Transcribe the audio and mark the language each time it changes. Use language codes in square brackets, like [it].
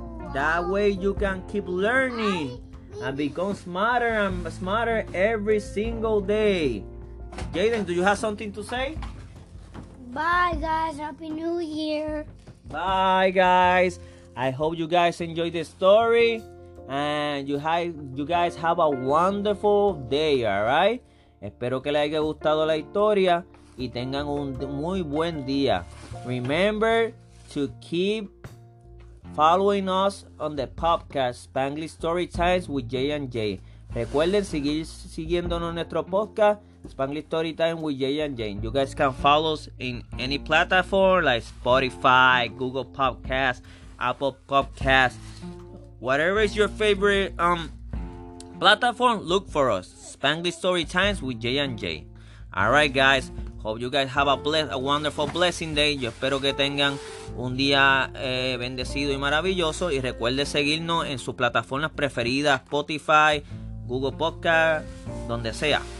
[en] That way you can keep learning and become smarter and smarter every single day. Jaden, do you have something to say? Bye, guys. Happy New Year. Bye, guys. I hope you guys enjoy the story. And you guys have a wonderful day, all right? [es] Espero que les haya gustado la historia y tengan un muy buen día. [en] Remember to keep following us on the podcast Spanglish Story Times with Jay and Jay. [es] Recuerden seguir siguiéndonos en nuestro podcast Spanglish Story Time with Jay and Jay. [en] You guys can follow us in any platform like Spotify, Google Podcast, Apple Podcast, whatever is your favorite platform. Look for us, Spanglish Story Times with Jay and Jay. All right, guys. Hope you guys have a wonderful blessing day. [es] Yo espero que tengan un día bendecido y maravilloso. Y recuerde seguirnos en sus plataformas preferidas, Spotify, Google Podcast, donde sea.